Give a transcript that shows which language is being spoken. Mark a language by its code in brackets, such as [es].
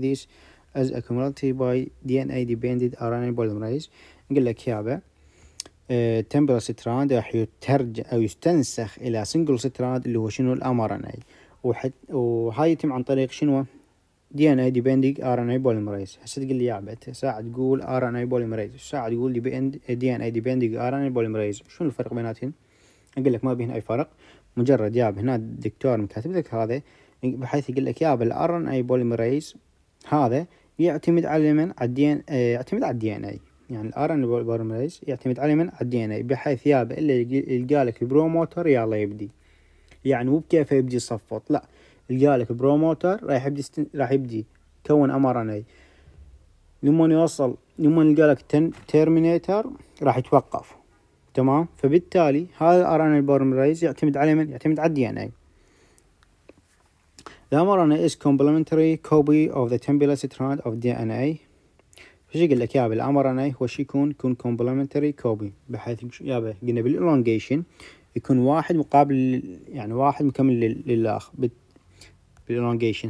[en] This is accumulated by DNA-dependent RNA polymerase. [ar] نقول لك يابا، template strand راح يترجم أو يستنسخ إلى single strand اللي هو شنو؟ الـ mRNA. وهاي يتم عن طريق شنو؟ دي ان اي ديبندنج ار ان اي بوليمريز. هسه تقول لي يا عبد ساعه تقول ار ان اي بوليمريز، ساعه تقول دي ان اي ديبندنج ار ان اي بوليمريز، شنو الفرق بيناتهم؟ اقول لك ما بين اي فرق، مجرد ياب هنا الدكتور مكاتب لك هذا بحيث يقول لك ياب الار ان اي بوليمريز هذا يعتمد على من؟ على الدي ان اي، يعتمد على الدي ان اي، يعني الار ان اي بوليمريز يعتمد على من؟ على الدي ان اي، بحيث ياب اللي يلقى لك البروموتر يلا يبدي، يعني مو بكيف يبدي يصفط، لا يلقى لك بروموتر رايح يبدي راح يبدي كون ام ار ان اي، لما يوصل لما يلقى لك تيرمينيتر راح يتوقف تمام. فبالتالي هذا الار ان اي بوليمريز يعتمد على من؟ يعتمد على الدي ان اي. [en] The mRNA is complementary copy of the template strand of DNA. [ar] فش يقول لك يا ابي mRNA هو شي يكون complementary copy، بحيث يا ابي قلنا بالإلونجيشن يكون واحد مقابل يعني واحد مكمل للآخر بالإلونجيشن.